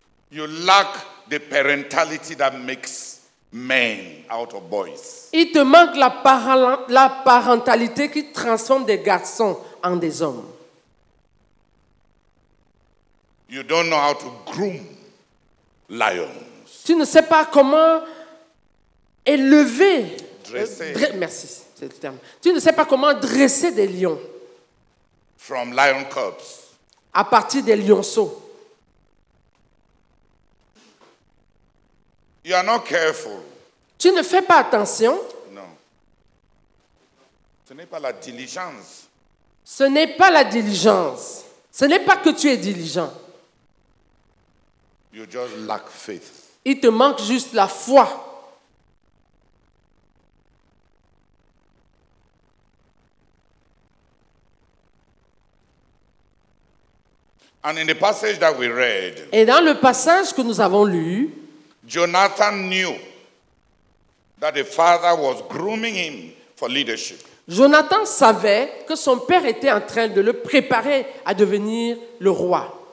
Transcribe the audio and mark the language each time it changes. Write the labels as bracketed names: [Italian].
[English] You lack the parentality that makes men out of boys. [French] Il te manque la parentalité qui transforme des garçons en des hommes. [English] You don't know how to groom lions. [French] Tu ne sais pas comment élever dresser. Merci, c'est le terme. Tu ne sais pas comment dresser des lions. [English] From lion cubs. [French] À partir des lionceaux. [English] You are not careful. [French] Tu ne fais pas attention. Non. Ce n'est pas la diligence. Ce n'est pas la diligence. Ce n'est pas que tu es diligent. [English] You just lack faith. [French] Il te manque juste la foi. [English] And in the passage that we read, [French] et dans le passage que nous avons lu, [English] Jonathan knew that the father was grooming him for leadership. [French] Jonathan savait que son père était en train de le préparer à devenir le roi.